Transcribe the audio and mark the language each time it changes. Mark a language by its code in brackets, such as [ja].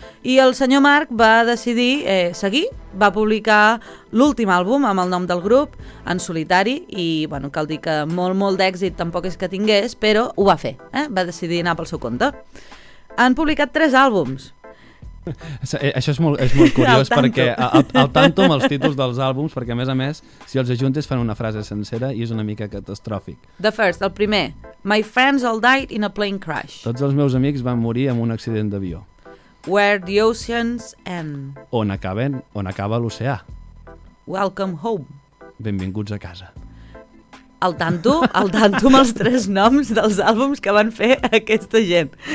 [ca] I el senyor Marc va decidir seguir, va publicar l'últim àlbum amb el nom del grup, en solitari, i bueno, cal dir que molt, molt d'èxit tampoc és que tingués, però ho va fer, va decidir anar pel seu compte. Han publicat 3 àlbums. Això és molt curiós, perquè al tanto amb els títols dels àlbums, perquè a més, si els ajuntes fan una frase sencera i és una mica catastròfic. [en] The first, [ca] el primer, [en] My friends all died in a plane crash. [ca] Tots els meus amics van morir en un accident d'avió. [en] Where the oceans end. [ca] On acaba l'oceà. [en] Welcome home. [ca] Benvinguts a casa. El tanto amb els 3 noms dels àlbums que van fer aquesta gent.